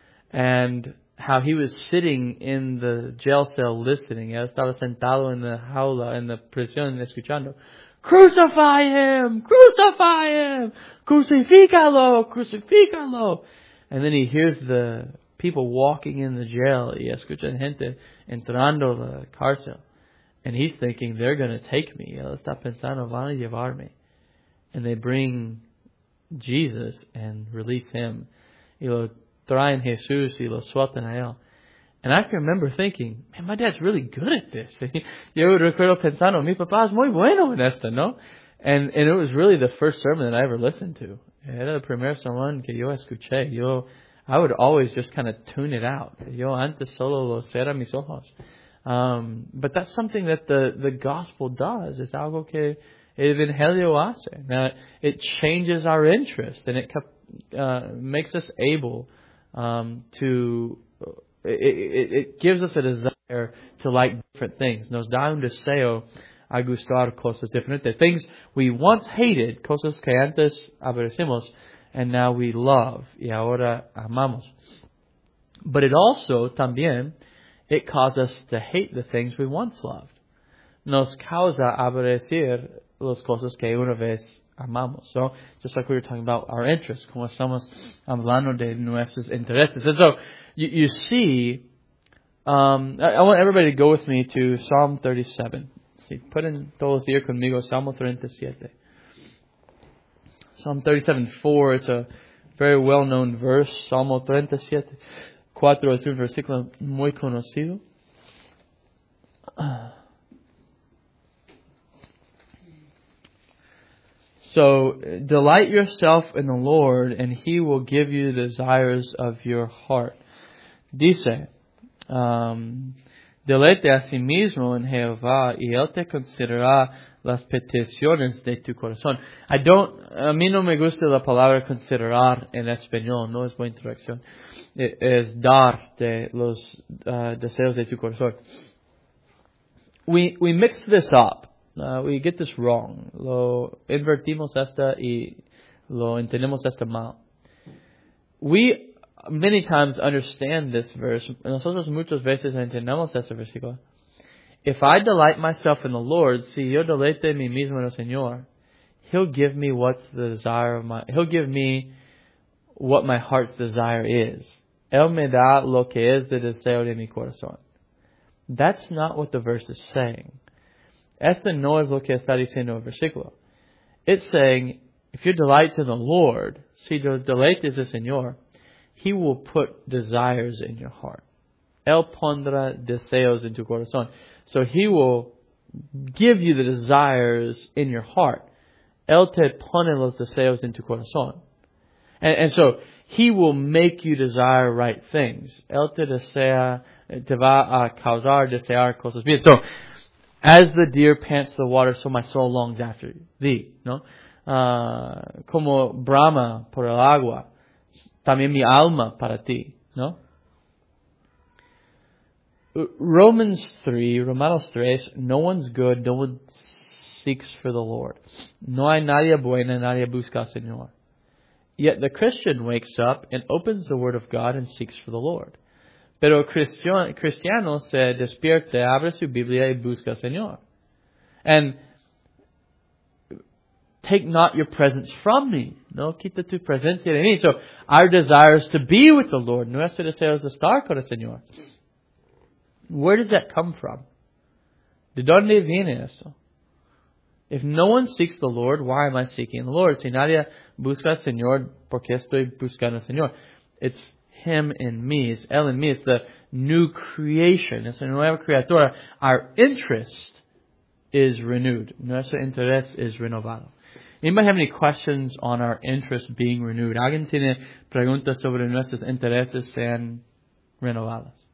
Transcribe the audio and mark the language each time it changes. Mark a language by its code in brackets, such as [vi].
[en] And how he was sitting in the jail cell listening. [es] Él estaba sentado en la jaula, en la prisión, escuchando. [en] Crucify him! Crucify him! [es] Crucifícalo! Crucifícalo! [en] And then he hears the people walking in the jail. [es] Y escuchan gente entrando la cárcel. [en] And he's thinking, they're going to take me. [es] Él está pensando, van a llevarme. [en] And they bring Jesus and release him. [es] Y lo traen Jesús y lo sueltan a él. [en] And I can remember thinking, man, my dad's really good at this. [es] Yo recuerdo pensando, mi papá es muy bueno en esto, ¿no? [en] And it was really the first sermon that I ever listened to. [es] Era el primer sermón que yo escuché. [en] Yo, I would always just kind of tune it out. [es] Yo antes solo lo cerra mis ojos. [en] But that's something that the gospel does. It's [es] algo que el evangelio hace. [en] Now, it changes our interest and it makes us able it gives us a desire to like different things. [es] Nos da un deseo a gustar cosas diferentes. [en] Things we once hated, [es] cosas que antes aborrecimos, [en] and now we love, [es] y ahora amamos. [en] But it also, [es] también, [en] it caused us to hate the things we once loved. [es] Nos causa aborrecer las cosas que una vez amamos. [en] So, just like we were talking about our interests, [es] como estamos hablando de nuestros intereses. [en] And so, you see, I want everybody to go with me to Psalm 37. Si, put in [es] todos ir conmigo, Salmo 37. [en] Psalm 37:4, it's a very well-known verse. [es] Salmo 37:4 es un versículo muy conocido. [en] So, delight yourself in the Lord, and He will give you the desires of your heart. [es] Dice, deleite a sí mismo en Jehová, y Él te considerará las peticiones de tu corazón. A mí no me gusta la palabra considerar en español, no es buena traducción. Es dar de los deseos de tu corazón. [en] We mix this up. We get this wrong. [es] Lo invertimos esta y lo entendemos esta mal. [en] We many times understand this verse. [es] Nosotros muchas veces entendemos este versículo. [en] If I delight myself in the Lord, [es] si yo deleite mi mismo en el Señor, [en] He'll give me what's the desire of my... He'll give me what my heart's desire is. [es] Él me da lo que es el deseo de mi corazón. [en] That's not what the verse is saying. [es] Este no es lo que está diciendo el versículo. [en] It's saying, if your delight's in the Lord, [es] si tu deleite es el Señor, [en] He will put desires in your heart. [es] Él pondrá deseos en tu corazón. [en] So He will give you the desires in your heart. [es] Él te pone los deseos en tu corazón. [en] And so, He will make you desire right things. [es] Él te desea, te va a causar desear cosas bien. [en] So, as the deer pants the water, so my soul longs after thee, ¿no? [es] Como brama por el agua, también mi alma para ti, ¿no? [en] Romanos 3, no one's good, no one seeks for the Lord. [es] No hay nadie buena, nadie busca al Señor. [en] Yet the Christian wakes up and opens the Word of God and seeks for the Lord. [es] Pero el cristiano se despierta, abre su Biblia y busca al Señor. [en] And take not your presence from me. [es] No, quita tu presencia de mí. [en] So, our desire is to be with the Lord. [es] Nuestro deseo es estar con el Señor. [en] Where does that come from? [es] ¿De dónde viene eso? [en] If no one seeks the Lord, why am I seeking the Lord? [es] Si nadie busca al Señor, ¿por qué estoy buscando al Señor? [en] It's Him in me, it's El in me, it's the new creation, it's a [es] nueva criatura. [en] Our interest is renewed. [es] Nuestro interés es renovado. [en] Anybody have any questions on our interest being renewed? [es] ¿Alguien tiene preguntas sobre nuestros intereses sean renovados?